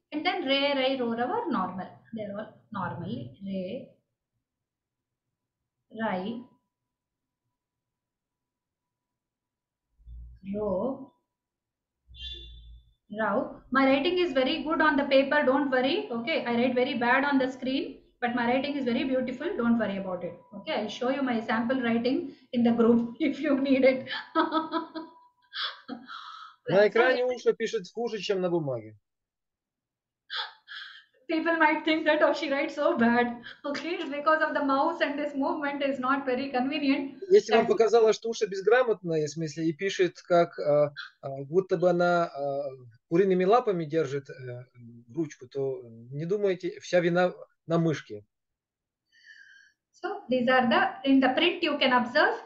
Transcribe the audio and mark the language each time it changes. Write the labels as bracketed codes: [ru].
[en] And then re, rai, ro, ra were normal. They were normally re, rai, ro, Rao. My writing is very good on the paper, don't worry. Okay, I write very bad on the screen, But my writing is very beautiful. Don't worry about it. Okay, I'll show you my sample writing in the group if you need it. [ru] На экране Уша пишет хуже, чем на бумаге. [en] People might think that oh, she writes so bad. Okay, because of the mouse and this movement is not very convenient. [ru] Если вам показалось, что Уша безграмотная, в смысле, и пишет как будто бы она куриными лапами держит ручку, то не думайте, вся вина на мышке. [en] So these are the in the print you can observe.